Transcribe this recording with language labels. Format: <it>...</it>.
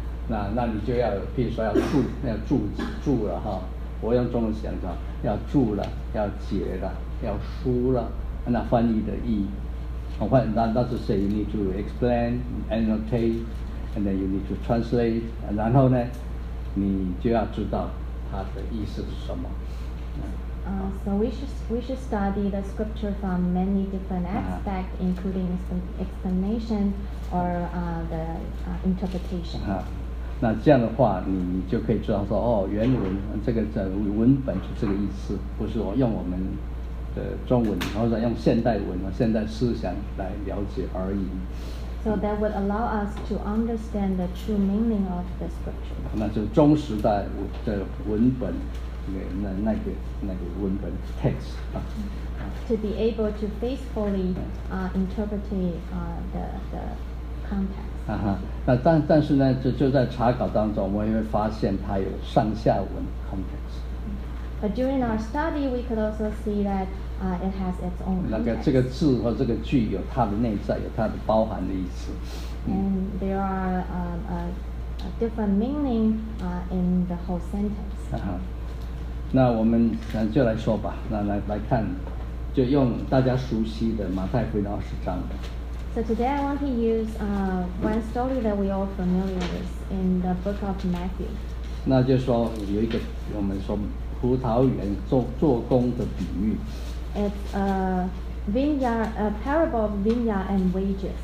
<zh>那你就要，譬如说要注，要注注了哈。我用中文讲的，要注了，要解了，要疏了，那翻译的意义。我那那是</zh> <en>say you need to explain, annotate, and then you need to translate.</en> <zh>然后呢，你就要知道它的意思是什么。</zh> <en>So we should study the scripture from many different aspects, including explanation or interpretation.</en> <zh>那这样的话你就可以知道说哦，原文这个文本是这个意思，不是我用我们的中文或者用现代文现代思想来了解而已。</zh> <en>So that would allow us to understand the true meaning of the scripture.</en> <zh>那就中时代的文本 那个文本 text、</zh> <en>To be able to faithfully interpret the context.</en> <zh>但是呢 就在查考当中我们会发现它有上下文 context.</zh> <en>But during our study, we could also see that it has its own context.</en> <zh>那个这个字或这个句有它的内在，有它的包含的意思。</zh> <en>And there are a different meaning in the whole sentence.</en> <zh>那我们就来说吧，那 来看，就用大家熟悉的马太福音二十章的。</zh> <en>So today I want to use one story that we all familiar with in the book of Matthew.</en> <zh>那就是说有一个我们说葡萄园做工的比喻。</zh> <en>It's a vineyard, a parable of vineyard and wages.</en>